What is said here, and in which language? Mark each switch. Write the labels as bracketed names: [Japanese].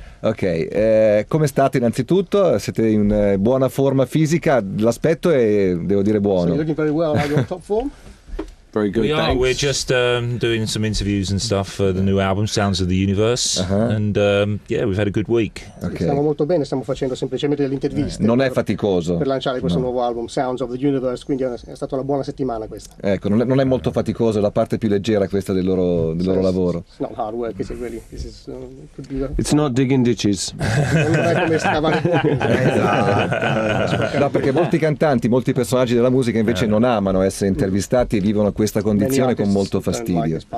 [Italian] Ok, come state innanzitutto? Siete in buona forma fisica? L'aspetto è, devo dire, buono. [English] So you're looking very well, are you on top form? Very good, we thanks. Are. We're just doing some interviews and stuff for the new album, Sounds of the Universe. Uh-huh. And we've had a good week. Okay. [Italian] Stiamo molto bene, stiamo facendo semplicemente delle interviste. Non è faticoso. Per lanciare questo nuovo album, Sounds of the Universe, quindi è stata una buona settimana questa. Ecco, non è molto faticoso, la parte più leggera questa del loro lavoro. [English] It's not hard work, is it really? This is, could be it's not digging ditches. [Italian] Non è come stava. No, perché molti cantanti, molti personaggi della musica invece non amano essere intervistati e vivono questa condizione con molto fastidio.